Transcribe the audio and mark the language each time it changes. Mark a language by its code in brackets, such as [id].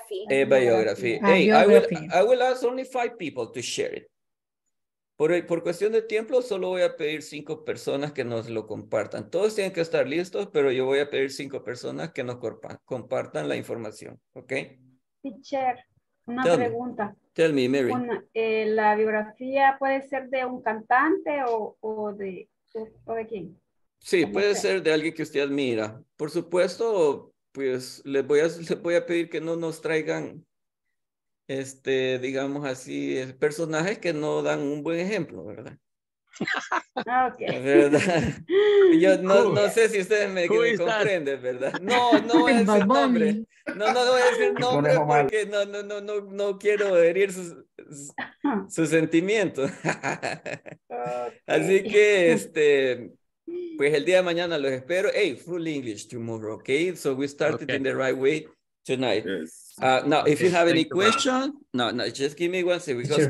[en] Hey, I will ask only 5 people to share it. [es] Por cuestión de tiempo, solo voy a pedir 5 personas que nos lo compartan. Todos tienen que estar listos, pero yo voy a pedir 5 personas que nos compartan la información. ¿Ok? Teacher, una Tell pregunta. [en] Me. Tell me, Mary. [es] ¿La biografía puede ser de un cantante o de quién? Sí, puede ser de alguien que usted admira. Por supuesto, pues les voy a pedir que no nos traigan, digamos así, personajes que no dan un buen ejemplo, ¿verdad? [en] Okay. [es] ¿Verdad? Yo no sé si ustedes me comprenden, ¿verdad? No voy a decir nombre. No voy a decir nombre porque no quiero herir sus sentimientos. Okay. Así que, pues el día de mañana los espero. [en] Hey, full English tomorrow, okay? So we started okay. In the right way tonight. Yes. Now, okay. If you have any question, no, just give me 1 second because teacher.